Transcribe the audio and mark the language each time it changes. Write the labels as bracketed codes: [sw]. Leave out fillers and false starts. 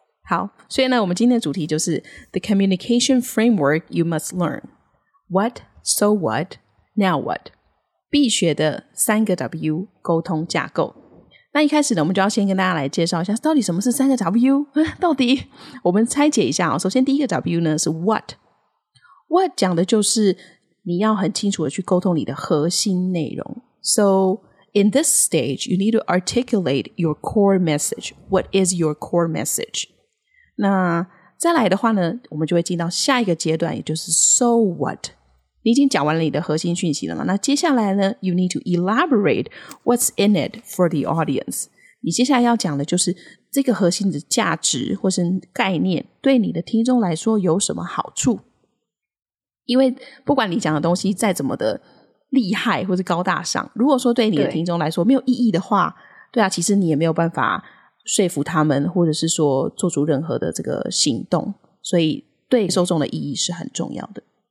[zh] 好，所以呢我们今天的主题就是 [en] The Communication Framework You Must Learn What, So What, Now What， [zh] 必学的三个 W 沟通架构。那一开始呢我们就要先跟大家来介绍一下到底什么是三个 W， 到底我们拆解一下首先第一个 W 呢是 What， What 讲的就是你要很清楚的去沟通你的核心内容。 [en] So in this stage you need to articulate your core message. What is your core message？ [zh] 那再来的话呢我们就会进到下一个阶段，也就是 So What，你已经讲完了你的核心讯息了吗？那接下来呢 [en] You need to elaborate what's in it for the audience。 [zh] 你接下来要讲的就是这个核心的价值或是概念对你的听众来说有什么好处，因为不管你讲的东西再怎么的厉害或是高大上，如果说对你的听众来说没有意义的话， 对啊，其实你也没有办法说服他们或者是说做出任何的这个行动，所以对受众的意义是很重要的。